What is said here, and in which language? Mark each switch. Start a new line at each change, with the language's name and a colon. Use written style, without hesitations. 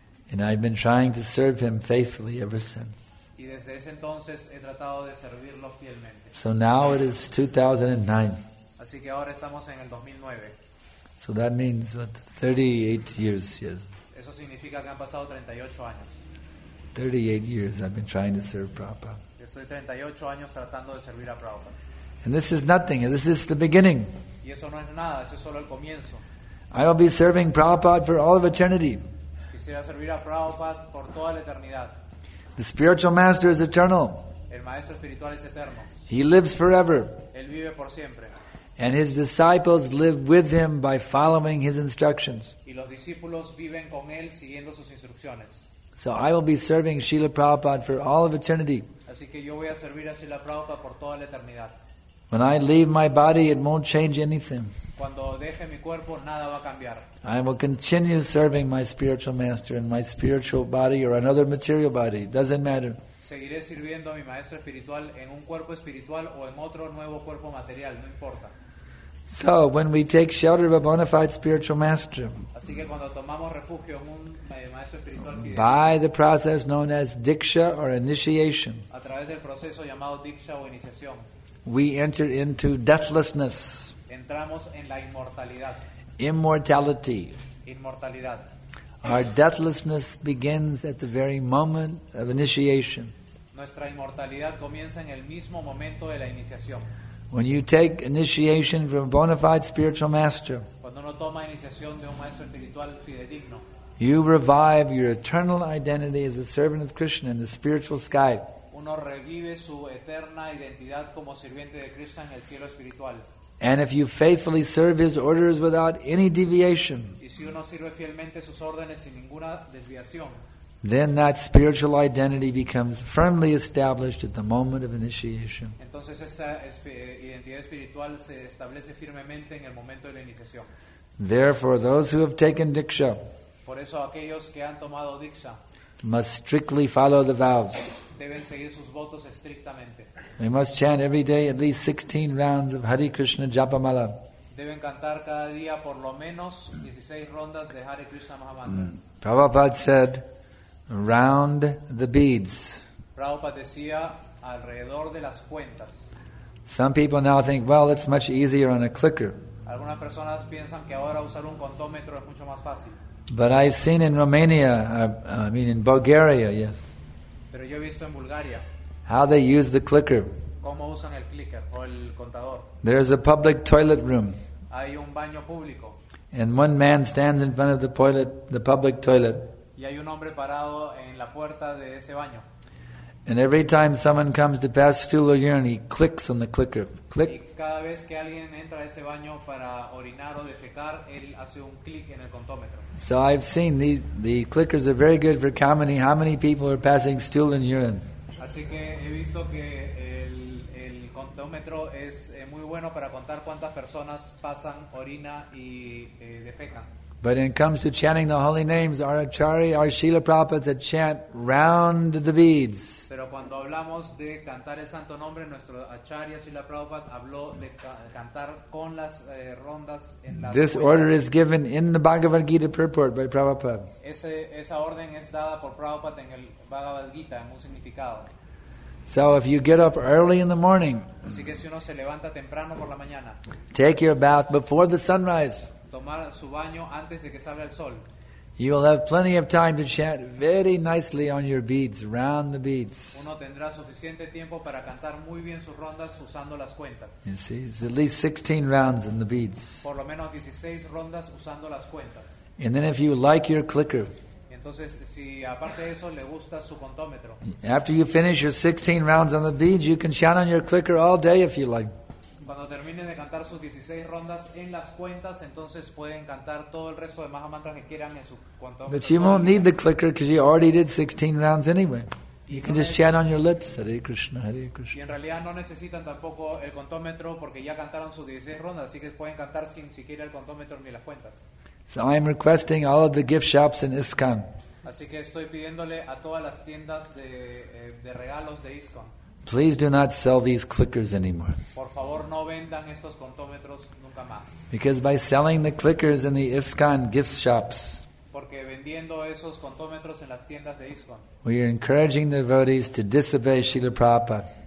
English: And I've been trying to serve him faithfully ever since.
Spanish: Y desde ese entonces he tratado de servirlo fielmente.
English: So now it is 2009.
Spanish: Así que ahora estamos en el 2009.
English: So that means what? 38 years, yes.
Spanish: Eso significa que han pasado 38 años.
English: 38 years I've been trying to serve Prabhupada.
Spanish: Estoy 38 años tratando de servir a Prabhupada.
English: And this is nothing. This is the beginning.
Spanish: Y eso no es nada. Eso es solo el comienzo.
English: I will be serving Prabhupada for all of eternity.
Spanish: Quisiera servir a Prabhupada por toda la eternidad.
English: The spiritual master is eternal.
Spanish: El maestro espiritual es eterno.
English: He lives forever.
Spanish: Él vive por siempre.
English: And his disciples live with him by following his instructions.
Spanish: Y los discípulos viven con él siguiendo sus instrucciones.
English: So I will be serving Srila Prabhupada for all of eternity.
Spanish: Así que yo voy a servir a Srila Prabhupada por toda la eternidad.
English: When I leave my body, it won't change anything.
Spanish: Cuando deje mi cuerpo, nada va a cambiar.
English: I will continue serving my spiritual master in my spiritual body or another material body. Doesn't matter.
Spanish: Seguiré sirviendo a mi maestro espiritual en un cuerpo espiritual o en otro nuevo cuerpo material, no importa.
English: So when we take shelter of a bona fide spiritual master,
Spanish: así que cuando tomamos refugio en un maestro espiritual,
English: by the process known as diksha or initiation,
Spanish: a través del proceso llamado diksha o iniciación,
English: we enter into deathlessness.
Spanish: Entramos en la inmortalidad.
English: Immortality.
Spanish: Inmortalidad.
English: Our deathlessness begins at the very moment of initiation.
Spanish: Nuestra inmortalidad comienza en el mismo momento de la iniciación.
English: When you take initiation from a bona fide spiritual master,
Spanish: cuando uno toma iniciación de un maestro espiritual fidedigno,
English: you revive your eternal identity as a servant of Krishna in the spiritual sky.
Spanish: Uno revive su eterna identidad como sirviente de Krishna en el cielo espiritual.
English: And if you faithfully serve his orders without any deviation,
Spanish: y si uno sirve fielmente sus órdenes sin ninguna desviación,
English: then that spiritual identity becomes firmly established at the moment of initiation.
Spanish: Entonces esa identidad espiritual se establece firmemente en el momento de la iniciación.
English: Therefore, those who have taken diksha,
Spanish: por eso aquellos que han tomado diksha,
English: must strictly follow the vows.
Spanish: Deben seguir sus votos estrictamente.
English: They must chant every day at least 16 rounds of Hare Krishna Japamala.
Spanish: Deben cantar cada día por lo menos 16 rondas de Hare Krishna Mahamantra.
English: Prabhupada said, round the beads.
Spanish: Prabhupada decía, alrededor de las cuentas.
English: Some people now think, well, it's much easier on a clicker.
Spanish: Algunas personas piensan que ahora usar un contómetro es mucho más fácil.
English: But I've seen in Romania, in Bulgaria, yes.
Spanish: Pero yo he visto en Bulgaria
English: how they use the clicker.
Spanish: ¿Cómo usan el clicker o el contador?
English: There's a public toilet room.
Spanish: Hay un baño público.
English: And one man stands in front of the public toilet.
Spanish: Y hay un hombre parado en la puerta de ese baño.
English: And every time someone comes to pass stool or urine, he clicks on the clicker. Click.
Spanish: Y cada vez que alguien entra a ese baño para orinar o defecar, él hace un clic en el contómetro.
English: So I've seen the clickers are very good for counting how many people are passing stool and urine.
Spanish: Así que he visto que el contómetro es muy bueno para contar cuántas personas pasan orina y defecan.
English: But when it comes to chanting the holy names, our Acharya, our Srila Prabhupada said, chant round the beads.
Spanish: Pero cuando hablamos de cantar el santo nombre, nuestro Acharya Srila Prabhupada habló de cantar con las rondas en las
English: This Order is given in the Bhagavad Gita purport by Prabhupada.
Spanish: Esa orden es dada por Prabhupada en el Bhagavad Gita, en un significado.
English: So if you get up early in the morning,
Spanish: así que si uno se levanta temprano por la mañana,
English: take your bath before the sunrise.
Spanish: Tomar su baño antes de que salga el sol.
English: You will have plenty of time to chant very nicely on your beads, round the beads.
Spanish: Uno tendrá suficiente tiempo para cantar muy bien sus rondas usando las cuentas.
English: You see, it's at least 16 rounds in the beads.
Spanish: Por lo menos 16 rondas usando las cuentas.
English: And then if you like your clicker,
Spanish: entonces, si aparte de eso, le gusta su contómetro,
English: after you finish your 16 rounds on the beads, you can shout on your clicker all day if you like.
Spanish: Cuando termine de cantar sus 16 rondas en las cuentas, entonces pueden cantar todo el resto de maha mantras que quieran en su contómetro.
English: But you won't need the clicker because you already did 16 rounds anyway. You can just chant on your lips, Hare Krishna, Hare Krishna.
Spanish: Y en realidad no necesitan tampoco el contómetro porque ya cantaron sus 16 rondas, así que pueden cantar sin siquiera el contómetro ni las cuentas.
English: So I am requesting all of the gift shops in ISKCON.
Spanish: Así que estoy pidiéndole a todas las tiendas de regalos de ISKCON.
English: Please do not sell these clickers anymore.
Spanish: Por favor, no vendan estos contómetros nunca más.
English: Because by selling the clickers in the ISKCON gift shops,
Spanish: porque vendiendo esos contómetros en las tiendas de ISKCON,
English: we are encouraging the devotees to disobey Srila Prabhupada.